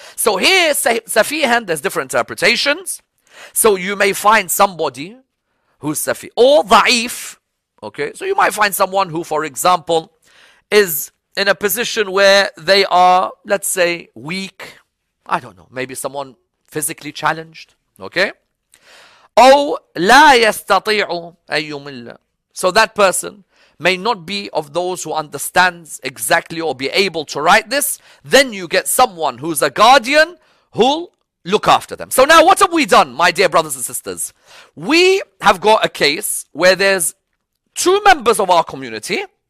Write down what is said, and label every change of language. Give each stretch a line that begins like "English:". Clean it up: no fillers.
English: So here, Safihan, there's different interpretations. So you may find somebody who's Safi or Da'if. Okay, so you might find someone who, for example, is in a position where they are, let's say, weak. I don't know, maybe someone physically challenged. Okay,
Arabic: أو لا يستطيع أن يمل.
English: So that person may not be of those who understands exactly or be able to write this. Then you get someone who's a guardian who'll look after them. So now what have we done, my dear brothers and sisters? We have got a case where there's two members of our community.